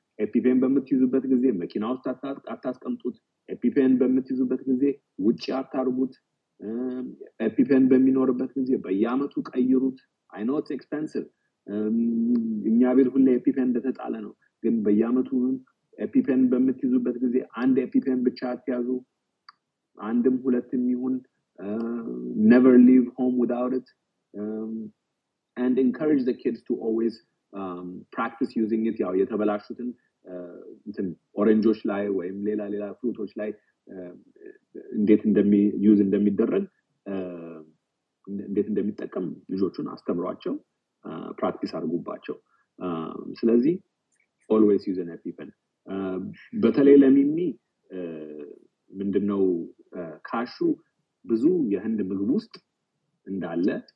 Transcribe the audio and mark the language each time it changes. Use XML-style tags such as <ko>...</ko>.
<am>EpiPen በምትይዙበት ጊዜ መኪና ውስጥ አታስቀምጡት። EpiPen በምትይዙበት ጊዜ ውጪ አታርጉት። EpiPen በሚኖርበት ጊዜ በየአመቱ ቀይሩት።</am> <en>I know it's expensive.</en> <am>እኛ ቤት ሁሉ EpiPen እንደተጣለ ነው። ግን በየአመቱ EpiPen በምትይዙበት ጊዜ አንድ EpiPen ብቻ አትያዙ። አንድም ሁለትም ይሁን</am> <en>never leave home without it. And encourage the kids to always practice using it.</en> <am>ያው የተበላሹትን እንትን ኦሬንጆች ላይ ወይም ሌላ ሌላ ፍሩቶች ላይ እንዴት እንደሚዩዝ እንደሚደረግ እንዴት እንደሚጠቀም ልጆቹን አስተምሯቸው practice አድርጉባቸው። ስለዚህ</am> <en>always use an EpiPen</en> <am>በተለይ ለሚሚ ምንድነው ካሹ ብዙ የህንድ ምግብ ውስጥ እንዳለ</am>